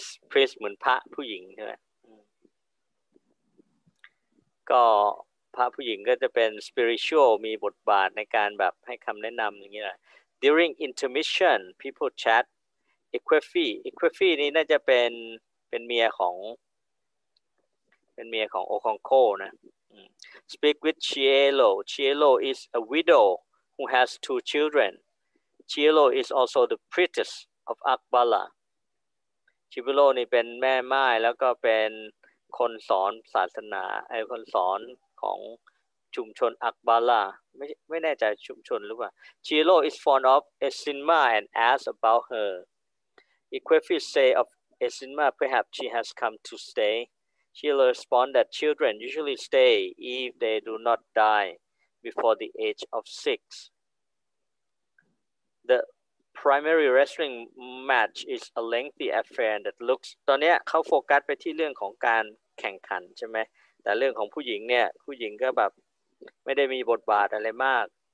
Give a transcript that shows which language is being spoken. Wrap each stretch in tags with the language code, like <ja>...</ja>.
<th>priest เหมือนพระผู้หญิงใช่ไหมก็พระผู้หญิงก็จะเป็น spiritual มีบทบาทในการแบบให้คำแนะนำอย่างเงี้ย</th> <en>during intermission people chat equifi</en> <th>นี้น่าจะเป็นเมียของโอคองโคนะ</th> <en>Speak with Chielo. Chielo is a widow who has two children. Chielo is also the priestess of Akbala.</en> <th>Chielo นี่เป็นแม่ม่ายแล้วก็เป็นคนสอนศาสนาไอ้คนสอนของชุมชน Akbala. ไม่แน่ใจชุมชนหรือเปล่า</th> <en>Chielo is fond of Esinma and asks about her. Equifi say ofEsinma, perhaps she has come to stay. She responds that children usually stay if they do not die before the age of 6. The primary wrestling match is a lengthy affair that looks...</en> <th>ตอนนี้เขาโฟกัสไปที่เรื่องของการแข่งขันใช่ไหมแต่เรื่องของผู้หญิงเนี่ยผู้หญิงก็แบบไม่ได้มีบทบาทอะไรมาก</th>